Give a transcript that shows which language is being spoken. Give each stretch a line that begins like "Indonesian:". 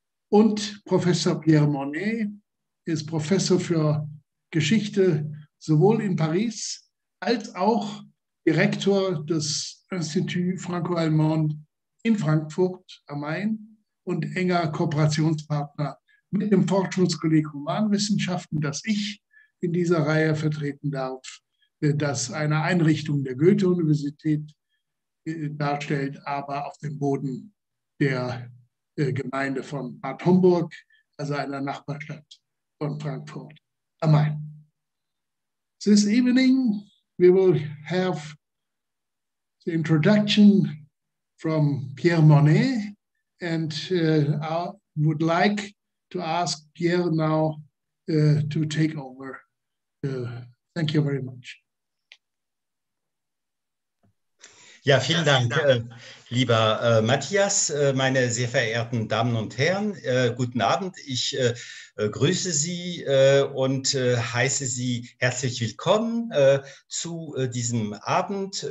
German: und Professor Pierre Monnet ist Professor für Geschichte sowohl in Paris als auch Direktor des Institut Franco-Allemand in Frankfurt am Main und enger Kooperationspartner mit dem Forschungskolleg Humanwissenschaften, das ich in dieser Reihe vertreten darf, das eine Einrichtung der Goethe-Universität darstellt, aber auf dem Boden der Gemeinde von Bad Homburg, also einer Nachbarstadt von Frankfurt am Main.
English: This evening we will have the introduction from Pierre Monnet, and I would like to ask Pierre now to take over. Thank you very much.
German: Ja, vielen Dank, lieber Matthias, meine sehr verehrten Damen und Herren. Guten Abend, ich grüße Sie und heiße Sie herzlich willkommen zu diesem Abend.